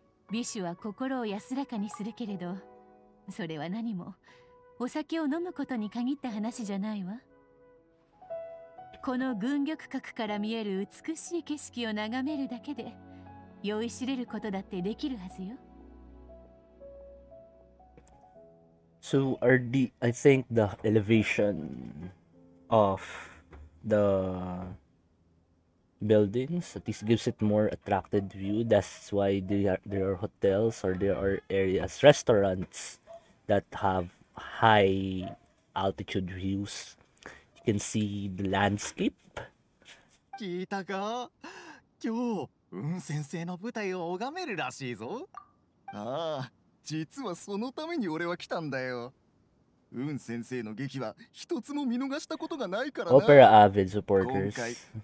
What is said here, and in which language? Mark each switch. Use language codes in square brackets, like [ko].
[ja] 美酒は心を安らかにするけれど、それは何もお酒を飲むことに限った話じゃないわ。この軍玉閣から見える美しい景色を眺めるだけで酔いしれることだってできるはずよ。 [en] So I think the elevation of the buildings at least gives it more attracted view. That's why there are hotels or there are areas, restaurants that have high altitude views. You can see the landscape. [ja] 聞いたか？今日、雲先生の舞台を拝めるらしいぞ。ああ、実はそのために俺は来たんだよ。雲先生の劇は一つも見逃したことがないからな。 [en] オペラアービンサポーターズ。